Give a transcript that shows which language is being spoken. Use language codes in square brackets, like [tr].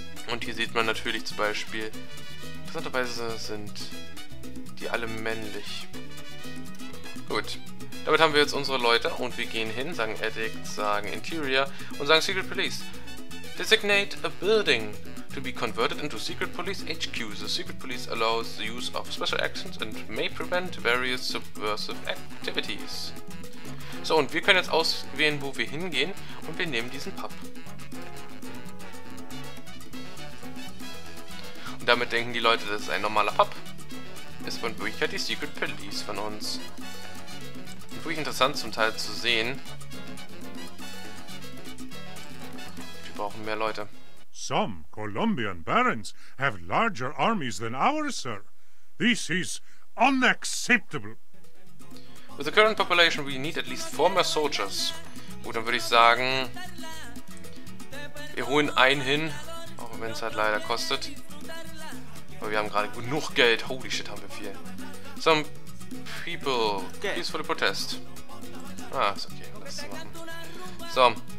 [de] Und hier sieht man natürlich zum Beispiel... Interessanterweise sind die alle männlich. Gut. Damit haben wir jetzt unsere Leute und wir gehen hin, sagen Addict, sagen Interior und sagen Secret Police. [en] Designate a building to be converted into Secret Police HQ. The Secret Police allows the use of special actions and may prevent various subversive activities. [de] So, und wir können jetzt auswählen, wo wir hingehen, und wir nehmen diesen Pub. Und damit denken die Leute, das ist ein normaler Pub. Ist von Wirklichkeit die Secret Police von uns. Wirklich interessant zum Teil zu sehen. Brauchen mehr Leute. [en] Some Colombian barons have larger armies than ours, sir. This is unacceptable. With the current population, we need at least 4 more soldiers. [de] Gut, dann würde ich sagen, wir holen einen hin, auch wenn es halt leider kostet. Aber wir haben gerade genug Geld. [en] Holy shit, [de] haben wir viel. [en] Some people, peaceful protest. [de] Ah, ist okay, lass es machen. So.